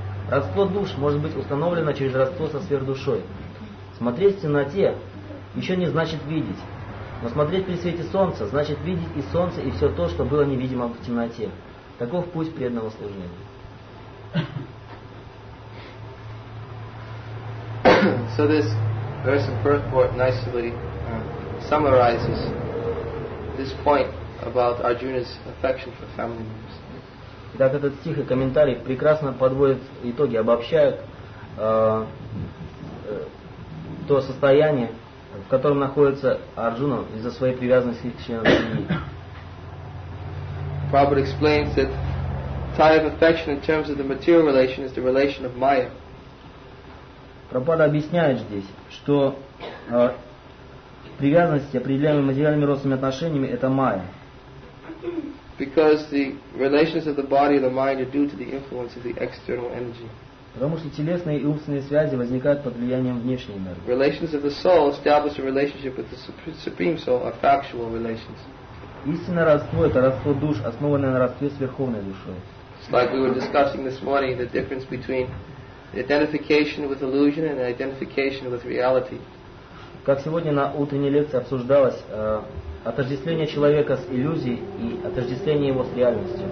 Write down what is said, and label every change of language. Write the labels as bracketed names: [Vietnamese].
[Russian] Родство душ может быть установлено через родство со сверхдушой. Смотреть в темноте еще не значит видеть, но смотреть при свете солнца значит видеть и солнце, и все то, что было невидимо в темноте. Таков путь преданного служения. [English] So this verse of first part nicely summarizes this point about Arjuna's affection for family members. [Russian] Так этот стих и комментарий прекрасно подводят итоги, обобщают то состояние, в котором находится Арджуна из-за своей привязанности к членам семьи. [English] Prabhupada explains that tie of affection in terms of the material relation is the relation of Maya. [Russian] Прабхупада объясняет здесь, что привязанность, определяемая материальными родственными отношениями, это майя. [English] Because the relations of the body and the mind are due to the influence of the external energy. [Russian] Потому что телесные и умственные связи возникают под влиянием внешней энергии. [English] Relations of the soul establish a relationship with the supreme soul are factual relations. [Russian] Истинное родство – это родство душ, основанное на родстве с Верховной Душой. [English] It's like we were discussing this morning, the difference between identification with illusion and identification with reality. [Russian] Как сегодня на утренней лекции обсуждалось отождествление человека с иллюзией и отождествление его с реальностью.